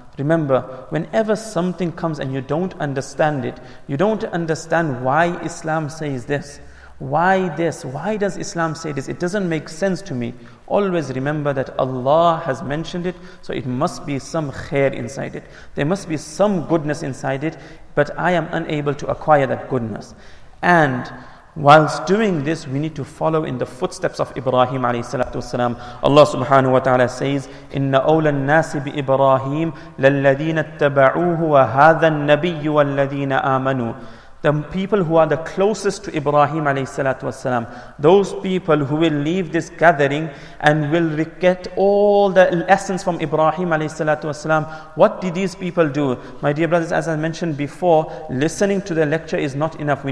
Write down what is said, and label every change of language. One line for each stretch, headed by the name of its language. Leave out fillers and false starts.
English: Remember, whenever something comes and you don't understand it, you don't understand why Islam says this, why this, why does Islam say this, it doesn't make sense to me, always remember that Allah has mentioned it, so it must be some khair inside it. There must be some goodness inside it, but I am unable to acquire that goodness. And whilst doing this, we need to follow in the footsteps of Ibrahim alayhi salatu wasalam. Allah subhanahu wa ta'ala says,
Arabic: إِنَّ أَوْلَى النَّاسِ بِإِبْرَاهِيمِ لَلَّذِينَ اتَّبَعُوهُ وَهَذَا النَّبِيُّ وَالَّذِينَ آمَنُوا.
English: The people who are the closest to Ibrahim alayhi salatu wasalam, those people who will leave this gathering and will get all the lessons from Ibrahim alayhi salatu wasalam. What did these people do? My dear brothers, as I mentioned before, listening to the lecture is not enough.